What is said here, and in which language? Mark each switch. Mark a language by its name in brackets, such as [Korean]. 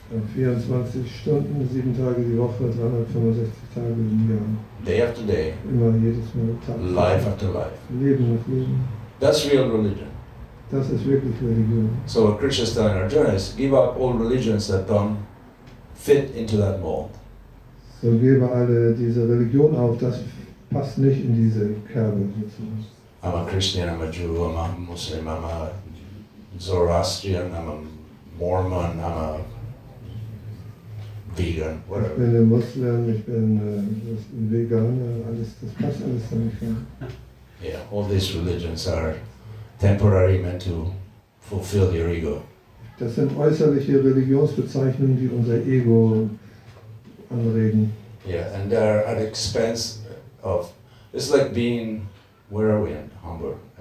[German] 24 Stunden, 7 Tage die Woche, 365 Tage im Jahr. [English] Day after day. [German] Immer jedes Mal Tag. [English] Life after life. [German] Leben nach Leben. [English] That's real religion. [German] Das ist wirklich Religion. [English] So what Krishna is telling Arjuna is, give up all religions that don't fit into that mold. [German] So gebe alle diese Religion auf, das passt nicht in diese Kerbe. [English] I'm a Christian, I'm a Jew, I'm a Muslim, I'm a Zoroastrian, I'm a Mormon, I'm a vegan, whatever. [German] Ich bin ein Muslim, ich bin ein Veganer, alles, das passt alles da nicht rein. [English] Yeah, all these religions are temporary, meant to fulfill your ego. [German] Das sind äußerliche Religionsbezeichnungen, die unser Ego anregen. [English] Yeah, and they're at the expense of, it's like being, where are we in Hamburg?